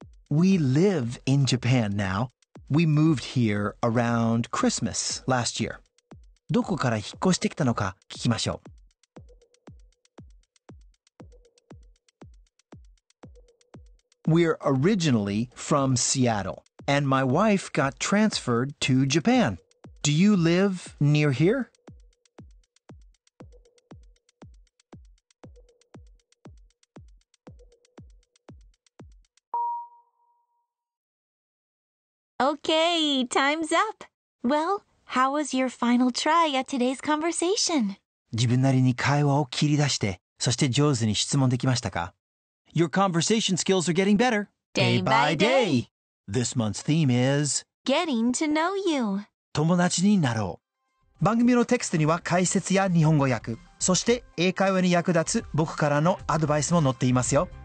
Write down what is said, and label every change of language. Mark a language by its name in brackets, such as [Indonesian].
[English] We live in Japan now. We moved here around Christmas last year. [Japanese] どこから引っ越してきたのか聞きましょう。 [English] We're originally from Seattle, and my wife got transferred to Japan. Do you live near here? Okay, time's up. Well,How was your final try at today's conversation? [Japanese] 自分なりに会話を切り出して、そして上手に質問できましたか? [English] Your conversation skills are getting better. Day by day. This month's theme is... Getting to know you. [Japanese] 友達になろう。番組のテキストには解説や日本語訳、そして英会話に役立つ僕からのアドバイスも載っていますよ。